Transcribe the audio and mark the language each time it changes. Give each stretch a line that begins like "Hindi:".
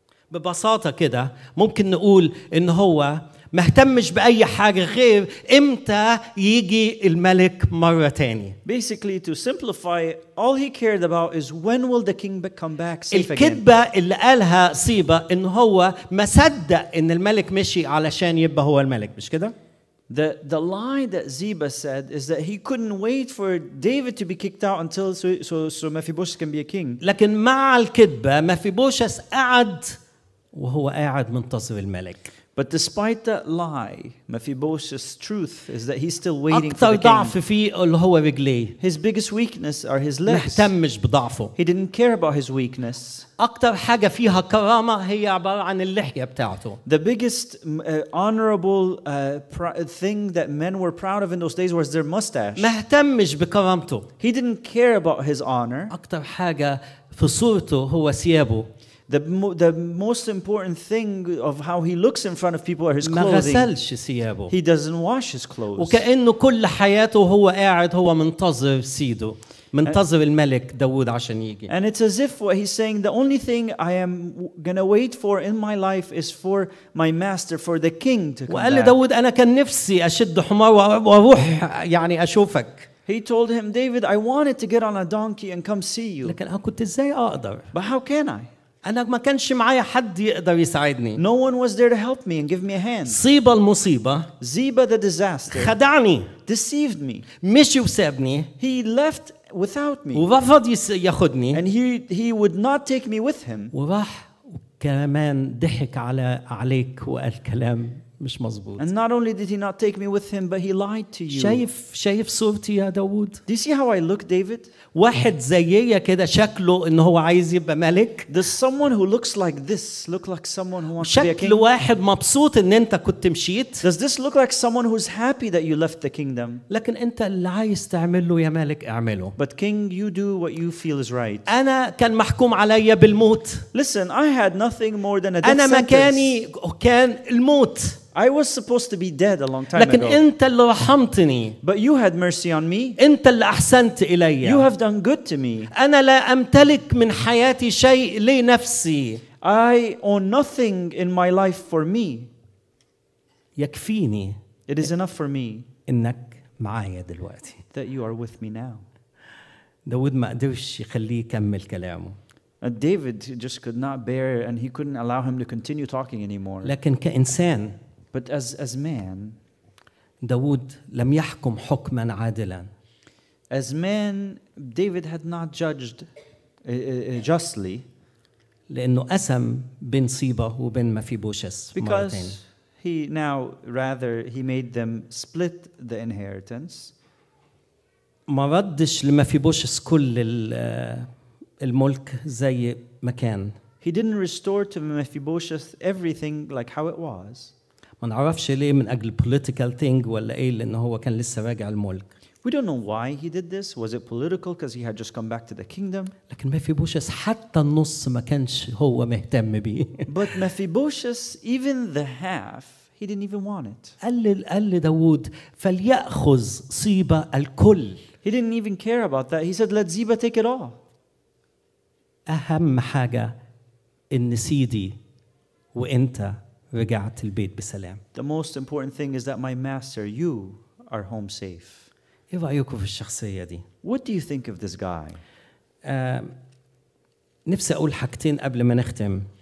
Arabic: ببساطة كده ممكن نقول إن هو مهتمش بأي حاجة غير إمتى يجي الملك مرة تاني.
English: Basically, to simplify, all he cared about is when will the king come back safe again.
Arabic: الكذبة اللي قالها صيبة إن هو ما صدق إن الملك مشي علشان يبقى هو الملك، مش كده؟
English: The lie that Ziba said is that he couldn't wait for David to be kicked out until so Mephibosheth can be a king.
Arabic: لكن مع الكذبة Mephibosheth قعد وهو قاعد منتظر الملك.
English: But despite that lie, Mephibosheth's truth is that he's still waiting for the king.
Arabic: أكثر ضعف فيه اللي هو رجليه.
English: His biggest weakness are his legs.
Arabic: مهتمش بضعفه.
English: He didn't care about his weakness.
Arabic: أكثر حاجة فيها كرامة هي عبارة عن اللحية بتاعته.
English: The biggest honorable thing that men were proud of in those days was their mustache.
Arabic: مهتمش بكرامته.
English: He didn't care about his honor.
Arabic: أكثر حاجة في صورته هو ثيابه.
English: The most important thing of how he looks in front of people are his clothing.
Arabic: ما غسلش ثيابه.
English: He doesn't wash his clothes.
Arabic: وكأنه كل حياته هو قاعد هو منتظر سيده. منتظر الملك داود عشان يجي.
English: And it's as if what he's saying, the only thing I am going to wait for in my life is for my master, for the king to come.
Arabic: وقال داود أنا كان نفسي أشد حمار وأروح يعني أشوفك.
English: He told him, David, I wanted to get on a donkey and come see you.
Arabic: لكن أنا كنت إزاي أقدر.
English: But how can I?
Arabic: أنا ما كانش معايا حد يقدر يساعدني.
English: No one was there to help me and give me a hand.
Arabic: صيبة المصيبة.
English: Ziba the disaster.
Arabic: خدعني.
English: Deceived me.
Arabic: مشي وسابني.
English: He left without me.
Arabic: ورفض ياخدني.
English: And he would not take me with him.
Arabic: وراح كمان ضحك على عليك وقال كلام مش مظبوط.
English: And not only did he not take me with him, but he lied to you.
Arabic: شايف صورتي يا داود؟
English: Do you see how I look, David?
Arabic: واحد زيي كده شكله إنه هو عايز يبقى ملك.
English: Does someone who looks like this look like someone who wants to be a king?
Arabic: شكل واحد مبسوط إن أنت كنت مشيت.
English: Does this look like someone who's happy that you left the kingdom?
Arabic: لكن أنت اللي عايز تعمله يا ملك اعمله.
English: But king, you do what you feel is right.
Arabic: أنا كان محكوم عليا بالموت.
English: Listen, I had nothing more than a death sentence.
Arabic: أنا مكاني كان الموت.
English: I was supposed to be dead a long time
Arabic: لكن
English: ago.
Arabic: لكن أنت اللي رحمتني.
English: But you had mercy on me.
Arabic: أنت اللي أحسنت إليّ.
English: You have done good to me.
Arabic: أنا لا أمتلك من حياتي شيء لنفسي.
English: I own nothing in my life for me.
Arabic: يكفيني.
English: It is enough for me.
Arabic: إنك معايا دلوقتي.
English: That you are with me now.
Arabic: داود ما قدرش يخليه يكمل كلامه.
English: And David just could not bear and he couldn't allow him to continue talking anymore.
Arabic: لكن كإنسان.
English: But as man,
Arabic: داود لم يحكم حكما عادلا.
English: As man, David had not judged justly.
Arabic: لأنه أسم بين صيبة وبين مفيبوشس.
English: Because he made them split the inheritance.
Arabic: ما ردش لمفيبوشس كل الملك زي ما كان.
English: He didn't restore to Mephibosheth everything like how it was.
Arabic: ما نعرفش ليه من أجل
English: political thing
Arabic: ولا إيه لأنه هو كان لسه راجع الملك.
English: We don't know why he did this. Was it political because he had just come back to the kingdom?
Arabic: لكن Mephibosheth حتى النص ما كانش هو مهتم بيه.
English: But Mephibosheth, even the half, he didn't even want it.
Arabic: قال داود فليأخذ صيبة الكل.
English: He didn't even care about that. He said, let Ziba take it all.
Arabic: أهم حاجة إن سيدي وإنت رجعت البيت بسلام.
English: The most important thing is that my master, you, are home safe.
Arabic: إيه رأيكم في الشخصية دي؟
English: What do you think of this guy?
Arabic: نفسي أقول حاجتين قبل ما نختم.